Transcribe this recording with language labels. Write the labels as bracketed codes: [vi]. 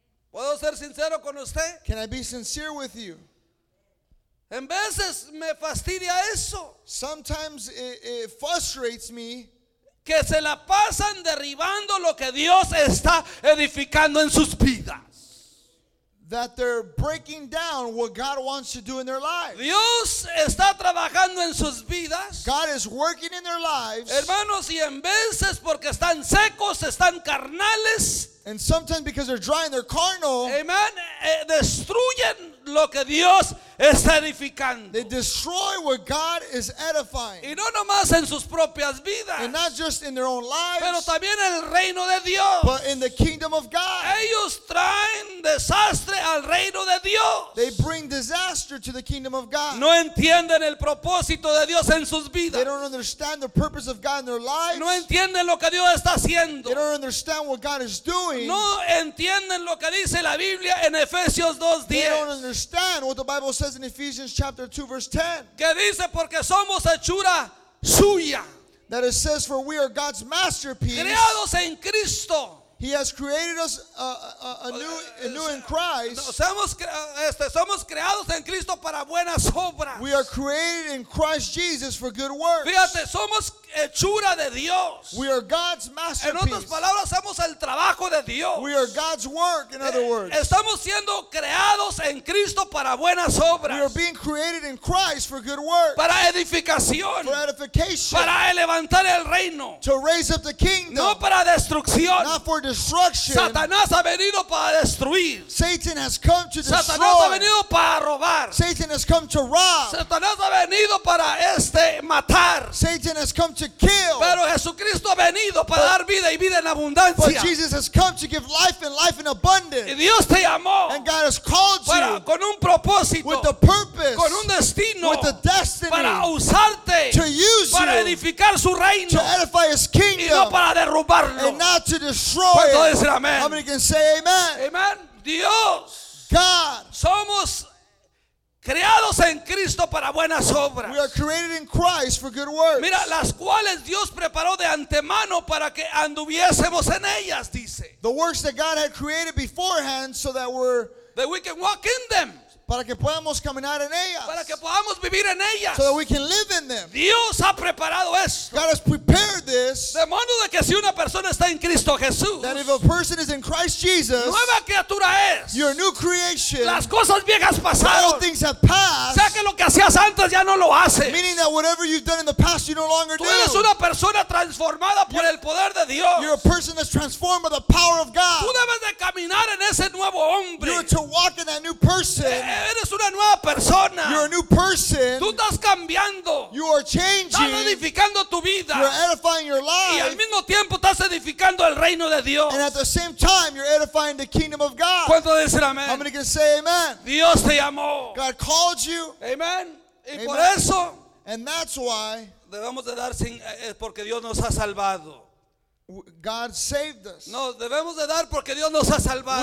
[es] ¿Puedo ser sincero con usted? [en] Can I be sincere with you? [es] En veces me fastidia eso. [en] Sometimes it frustrates me. [es] Que se la pasan derribando lo que Dios está edificando en sus vidas. [en] That they're breaking down what God wants to do in their lives. [es] Dios está trabajando en sus vidas. [en] God is working in their lives. [es] Hermanos, y en veces porque están secos, están carnales. [en] And sometimes because they're dry and they're carnal. [es] Amen. Destruyen lo que Dios está edificando. [en] They destroy what God is edifying. [es] Y no nomás en sus propias vidas. [en] And not just in their own lives. [es] Pero también en el reino de Dios. [en] But in the kingdom of God. [es] Ellos traen desastre al reino de Dios. [en] They bring disaster to the kingdom of God. [es] No entienden el propósito de Dios en sus vidas. [en] They don't understand the purpose of God in their lives. [es] No entienden lo que Dios está haciendo. [en] They don't understand what God is doing. [es] No entienden lo que dice la Biblia en Efesios 2:10. [en] They don't understand what the Bible says in Ephesians chapter 2 verse 10. [es] Que dice porque somos hechura suya. [en] That it says, for we are God's masterpiece. [es] Creados en Cristo. [en] He has created us anew in Christ. [es] Somos creados en Cristo para buenas obras. [en] We are created in Christ Jesus for good works. [es] Fíjate, somos hechura de Dios. [en] We are God's masterpiece. [es] En otras palabras, somos el trabajo de Dios. [en] We are God's work, in other words. [es] Estamos siendo creados en Cristo para buenas obras. [en] We are being created in Christ for good works. [es] Para edificación. [en] For edification. [es] Para levantar el reino. [en] To raise up the kingdom. [es] No para destrucción. [en] Not for destruction. [es] Satanás ha venido para destruir. [en] Satan has come to destroy. [es] Satanás ha venido para robar. [en] Satan has come to rob. [es] Satanás ha venido para matar. [en] Satan has come to kill. [es] Pero Jesucristo ha venido para dar vida y vida en abundancia. [en] But Jesus has come to give life and life in abundance. [es] Y Dios te llamó. [en] And God has called [es] para, [en] you [es] con un propósito, [en] with a purpose, [es] con un destino, [en] with a destiny, [es] para usarte, [en] to use [es] para [en] you, [es] edificar su reino, [en] to edify his kingdom, [es] y no para derrubarlo, [en] and not to destroy it. [es] Amen. [en] How many can say amen? [es] Amen. Dios. [en] God. [es] Somos creados en Cristo para buenas obras. [en] We are created in Christ for good works. [es] Mira, las cuales Dios preparó de antemano para que anduviésemos en ellas, dice. [en] The works that God had created beforehand so that we're, that we can walk in them. [es] Para que podamos caminar en ellas. Para que podamos vivir en ellas. [en] So that we can live in them. [es] Dios ha preparado esto. [en] God has prepared this. [es] De modo de que si una persona está en Cristo Jesús. [en] That if a person is in Christ Jesus. [es] Nueva criatura es. [en] You're a new creation. [es] Las cosas viejas pasaron. [en] All things have passed. [es] O sea que lo que hacías antes ya no lo haces. [en] Meaning that whatever you've done in the past you no longer [es] do. Tú eres una persona transformada por el poder de Dios. [en] You're a person that's transformed by the power of God. [es] Tú debes de caminar en ese nuevo hombre. [en] You're to walk in that new person. [es] Eres una nueva persona. [en] You're a new person. [es] Tú estás cambiando. [en] You are changing. [es] Estás edificando tu vida. [en] You're edifying your life. [es] Y al mismo tiempo estás edificando el reino de Dios. [en] And at the same time, you're edifying the kingdom of God. [es] ¿Cuánto dicen amén? [en] How many can say amen? [es] Dios te llamó. [en] God called you. [es] Amen. Y amen. Por eso. [en] And that's why. [es] Debemos de dar sin, porque Dios nos ha salvado. [en] God saved us. [es] No, debemos de dar porque Dios nos ha salvado.